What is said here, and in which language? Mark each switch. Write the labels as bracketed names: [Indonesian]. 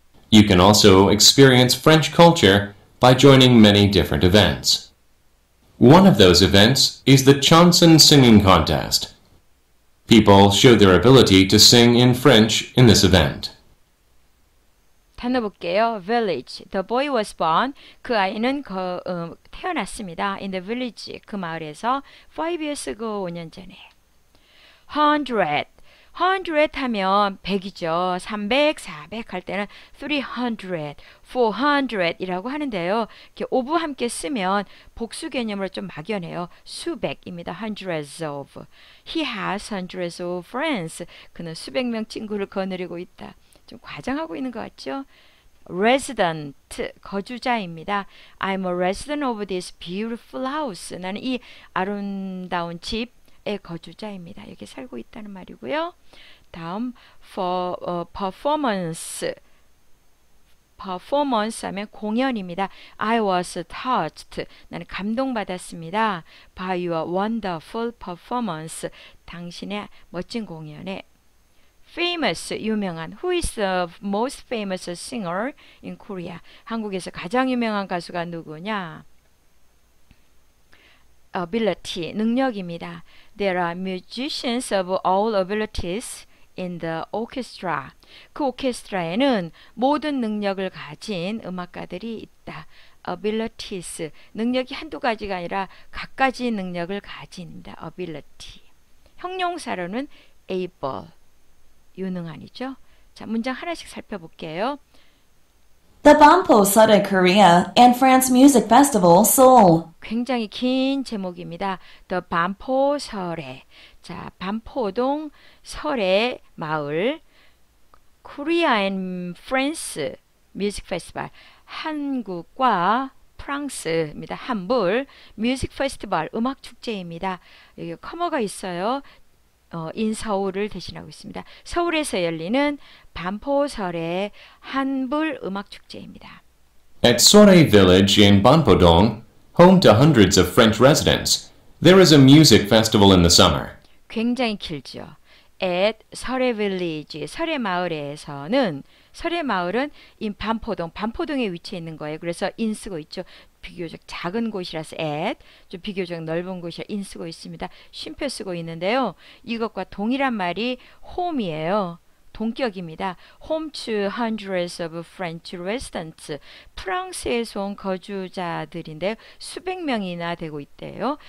[English] You can also experience French culture by joining many different events. One of those events is the Chanson Singing Contest. People show their ability to sing in French in this event. [Korean] 나눠볼게요. [English] Village. The boy was born. [Korean] 그 아이는 태어났습니다. [English] In the village. [Korean] 그 마을에서. [English] 5 years ago. [Korean] 5년 전에. [English] 100. [Korean] 100 하면 100이죠. 300, 400할 때는 300, 400 이라고 하는데요. 이렇게 of 함께 쓰면 복수 개념으로 좀 막연해요. 수백입니다. [English] Hundreds of. He has hundreds of friends. [Korean] 그는 수백 명 친구를 거느리고 있다. 좀 과장하고 있는 것 같죠? Resident, 거주자입니다. [English] I'm a resident of this beautiful house. [Korean] 나는 이 아름다운 집의 거주자입니다. 여기 살고 있다는 말이고요. 다음, performance. Performance 하면 공연입니다. [English] I was touched. [Korean] 나는 감동받았습니다. [English] By your wonderful performance. [Korean] 당신의 멋진 공연에. Famous, 유명한. [English] Who is the most famous singer in Korea? [Korean] 한국에서 가장 유명한 가수가 누구냐? Ability, 능력입니다. [English] There are musicians of all abilities in the orchestra. [Korean] 그 오케스트라에는 모든 능력을 가진 음악가들이 있다. Abilities, 능력이 한두 가지가 아니라 갖가지 능력을 가진다. Ability. 형용사로는 able. 유능한이죠. 자, 문장 하나씩 살펴볼게요. [English] The Bampo Sore Korea and France Music Festival, Seoul. [Korean] 굉장히 긴 제목입니다. The Banpo Sore. 자, 반포동 설의 마을. [English] Korea and France Music Festival. [Korean] 한국과 프랑스입니다. 한불. Music Festival. 음악 축제입니다. 여기 커머가 있어요. in 서울을 대신하고 있습니다. 서울에서 열리는 반포설의 한불 음악 축제입니다. [English] At Sore Village in Banpodong, home to hundreds of French residents, there is a music festival in the summer. [Korean] 굉장히 길죠. At 설의 빌리지, 설의 마을에서는, 설의 마을은 인 반포동, 반포동에 위치해 있는 거예요. 그래서 인 쓰고 있죠. 비교적 작은 곳이라서 at, 좀 비교적 넓은 곳이라 인 쓰고 있습니다. 쉼표 쓰고 있는데요. 이것과 동일한 말이 home이에요. 동격입니다. [English] Home to hundreds of French residents. [Korean] 프랑스에서 온 거주자들인데 수백 명이나 되고 있대요.